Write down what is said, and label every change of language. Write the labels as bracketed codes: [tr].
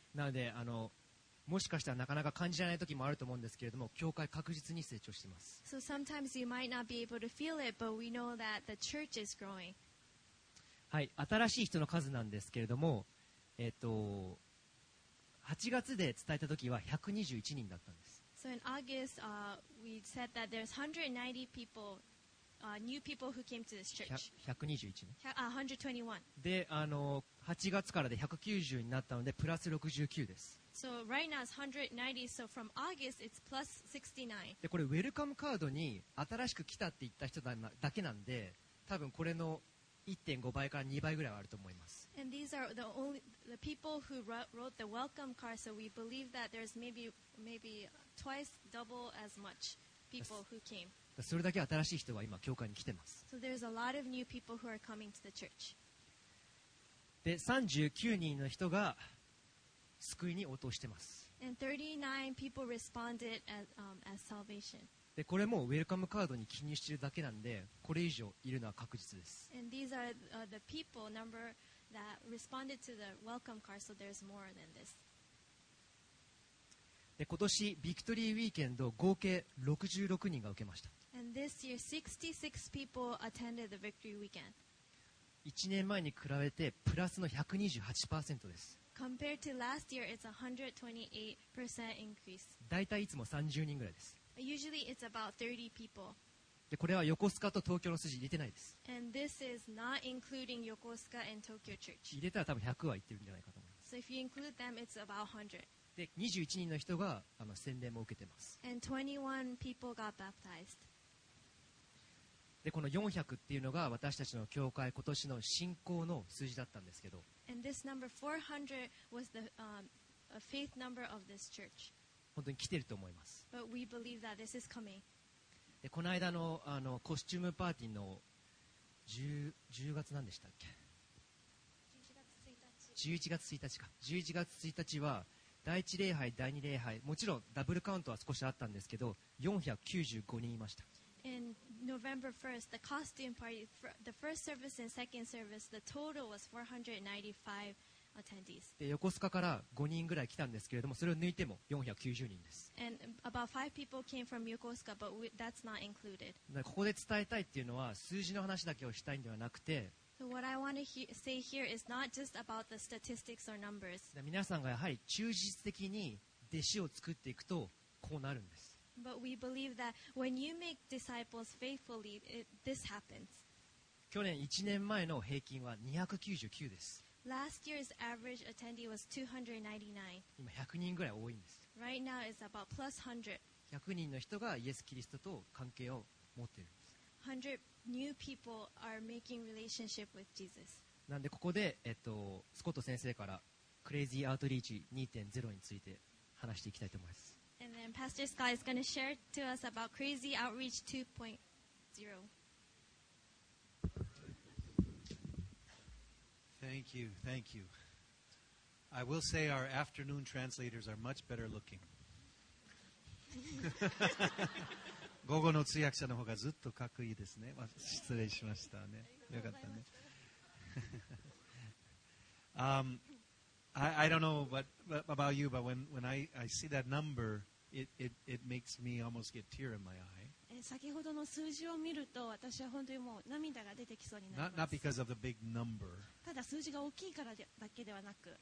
[ja] なのでもしかしたらなかなか感じられない時もあると思うんですけれども、教会確実に成長しています。 [en] So sometimes you might not be able to feel it, but we know that the church is growing. [ja] はい、新しい人の数なんですけれども、8月で伝えたときは121人だったんです。 [en] So in August, we said that there's 190 people, new people who came to this church. [ja] 121ね。 121. で、8月からで190になったのでプラス69です。 [en] So right now it's 190, so from August it's plus 69. [ja] で、これウェルカムカードに新しく来たって言った人だけなんで、多分これの 1.5 倍から2倍ぐらいはあると思います。 [en] And these are the only the people who wrote the welcome card, so we believe that there's maybe twice double as much people who came. [ja] それだけ新しい人が今教会に来てます。 [en] So there's a lot of new people who are coming to the church. [ja] で、39人の人が救いに応答してます。 [en] And 39 people responded as salvation. [ja] で、これもウェルカムカードに記入しているだけなんで、これ以上いるのは確実です。 [en] And these are the people number that responded to the welcome card, so there's more than this. [ja] で、今年ビクトリーウィーケンド合計66人が受けました。 [en] And this year 66 people attended the victory weekend. [ja] 1年前に比べてプラスの 128% です。 [en] Compared to last year, it's 128% increase. [ja] だいたいいつも30人ぐらいです。 [en] Usually it's about 30 people. [ja] で、これは横須賀と東京の数字入れてないです。 [en] And this is not including 横須賀 and Tokyo Church. [ja] 入れたら多分100は行ってるんじゃないかと思います。 [en] So if you include them, it's about 100. [ja] で、21人の人が洗礼も受けてます。 [en] And 21 people got baptized. [ja] で、この400っていうのが私たちの教会今年の信仰の数字だったんですけど。 [en] And this number 400 was the faith number of this church. [ja] 本当に来てると思います。 [en] But we believe that this is coming. [ja] で、この間のコスチュームパーティーの10月なんでしたっけ？ 11月1日は第一礼拝、第二礼拝、もちろんダブルカウントは少しあったんですけど、495人いました。 [en] In November 1st, the costume party, the first service and second service, the total was 495 attendees. [ja] で、横須賀から5人ぐらい来たんですけれども、それを抜いても490人です。 [en] And about 5 people came from Yokosuka, but that's not included. [ja] ここで伝えたいっていうのは、数字の話だけをしたいんではなくて、 [en] So what I want to say here is not just about the statistics or numbers. [ja] 皆さんがやはり忠実的に弟子を作っていくとこうなるんです。 [en] But we believe that when you make disciples faithfully, this happens. [ja] 去年1年前の平均は299です。 [en] Last year's average attendee was 299. [ja] 今100人ぐらい多いんです。 [en] Right now it's about plus 100. [ja] 100人の人がイエス・キリストと関係を持っているんです。 [en] 100New people are making relationship with Jesus. [ja] なんでここで、スコット先生からクレイジーアウトリーチ 2.0 について話していきたいと思います。 [en] And then Pastor Scott is going to share to us about Crazy Outreach 2.0. Thank you, thank you. I will say our afternoon translators are much better looking. [ja] 午後の通訳者の方がずっとかっこいいですね。失礼しましたね。よかったね。 [en] I don't know what about you, but when I see that number, it makes me almost get tear in my eye. [ja] 先ほどの数字を見ると、私は本当にもう涙が出てきそうになります。 [en] Not because of the big number. [ja] ただ数字が大きいからだけではなく。